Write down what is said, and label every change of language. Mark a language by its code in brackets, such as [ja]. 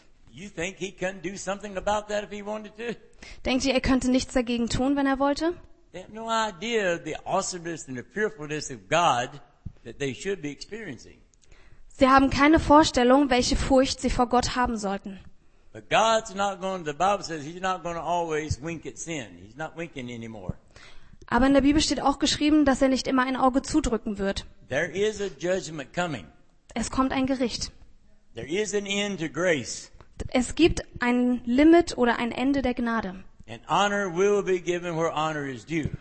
[en] You think he couldn't do something about that if he wanted to? [de] Denkt ihr, er könnte nichts dagegen tun, wenn er wollte? [en] They have no idea the awesomeness and the fearfulness of God that they should be experiencing. [de] Sie haben keine Vorstellung, welche Furcht sie vor Gott haben sollten. [en] But God's not going. The Bible says he's not going to always wink at sin. He's not winking anymore. [de] Aber in der Bibel steht auch geschrieben, dass er nicht immer ein Auge zudrücken wird. [en] There is a judgment coming. [de] Es kommt ein Gericht. [en] There is an end to grace. [de] Es gibt ein Limit oder ein Ende der Gnade. [en] And honor will be given where honor is due.